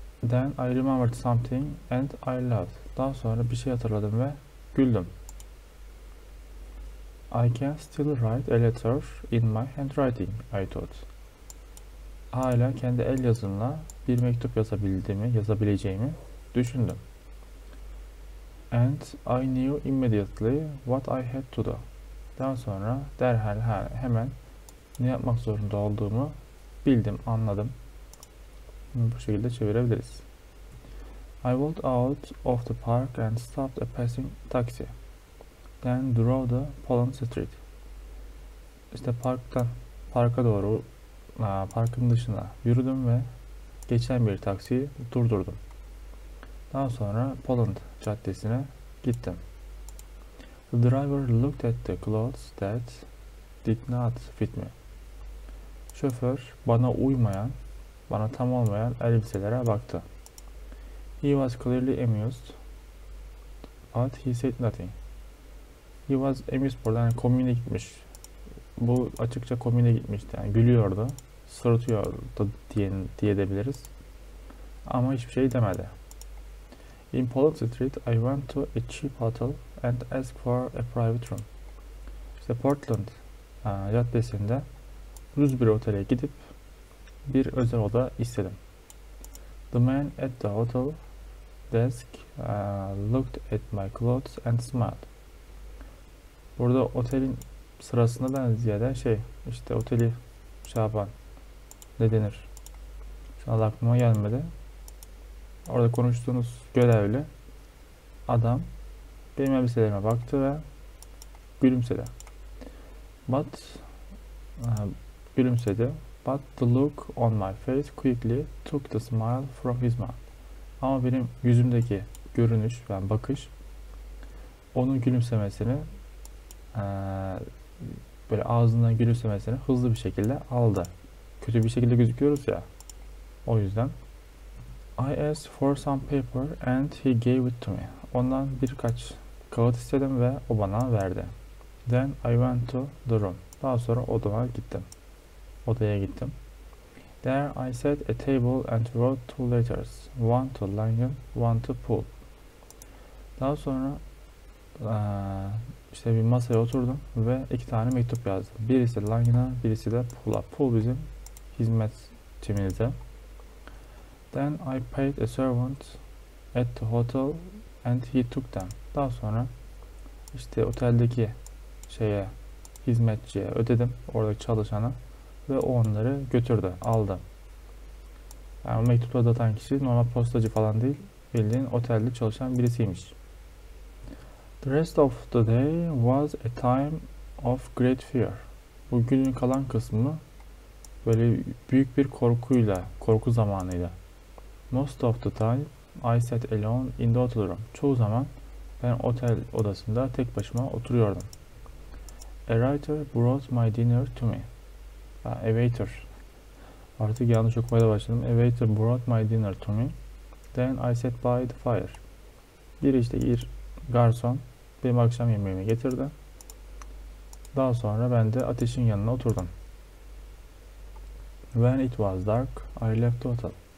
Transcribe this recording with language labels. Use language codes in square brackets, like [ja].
[en] Then I remembered something and I laughed. [tr] Daha sonra bir şey hatırladım ve güldüm. [en] I can still write a letter in my handwriting, I thought. [tr] Hala kendi el yazımla bir mektup yazabileceğimi düşündüm. [en] And I knew immediately what I had to do. [tr] Daha sonra derhal hemen ne yapmak zorunda olduğumu bildim, anladım. Bunu bu şekilde çevirebiliriz. [en] I walked out of the park and stopped a passing taxi. Then drove the Poland Street. [tr] İşte parka doğru, parkın dışına yürüdüm ve geçen bir taksiyi durdurdum. Daha sonra Poland Caddesi'ne gittim. [en] The driver looked at the clothes that did not fit me. [tr] Şoför bana tam olmayan elbiselere baktı. [en] He was clearly amused, but he said nothing. He was amused, [tr] yani komiğine gitmiş. Bu açıkça komiğine gitmişti, yani gülüyordu, sırıtıyordu diye edebiliriz. Ama hiçbir şey demedi. [en] In Poland Street, I went to a cheap hotel and asked for a private room. [tr] İşte Portland caddesinde ucuz bir otele gidip bir özel oda istedim. [en] The man at the hotel desk looked at my clothes and smiled. [tr] Burada otelin sırasında ben ziyade şey işte oteli şey yapan ne denir? Şu an aklıma gelmedi. Orada konuştuğunuz görevli adam benim elbiselerime baktı ve gülümsedi. Gülümsedi. [en] But the look on my face quickly took the smile from his mouth. [tr] Ama benim yüzümdeki görünüş, yani bakış, onun gülümsemesini, böyle ağzından gülümsemesini hızlı bir şekilde aldı. Kötü bir şekilde gözüküyoruz ya. O yüzden. [en] I asked for some paper and he gave it to me. [tr] Ondan birkaç kağıt istedim ve o bana verdi. [en] Then I went to the room. [tr] Daha sonra odama gittim. Odaya gittim. [en] There I sat at a table and wrote two letters. One to Langan, one to Poole. [tr] Daha sonra işte bir masaya oturdum ve iki tane mektup yazdım. Birisi Langan'a, birisi de Poole'a. Poole bizim hizmet timimizde. [en] Then I paid a servant at the hotel and he took them. [tr] Daha sonra işte oteldeki şeye, hizmetçiye ödedim, oradaki çalışana. Ve onları götürdü, aldı. Yani mektupta atan kişi normal postacı falan değil, bildiğin otelde çalışan birisiymiş. [en] The rest of the day was a time of great fear. [tr] Bu günün kalan kısmı böyle büyük bir korkuyla, korku zamanıydı. [en] Most of the time I sat alone in the hotel room. [tr] Çoğu zaman ben otel odasında tek başıma oturuyordum. [en] A writer brought my dinner to me. A waiter. [tr] Artık yanlış okumaya başladım. [en] A waiter brought my dinner to me. Then I sat by the fire. [tr] Bir işte bir garson benim akşam yemeğimi getirdi. Daha sonra ben de ateşin yanına oturdum. [en] When it was dark, I left the hotel.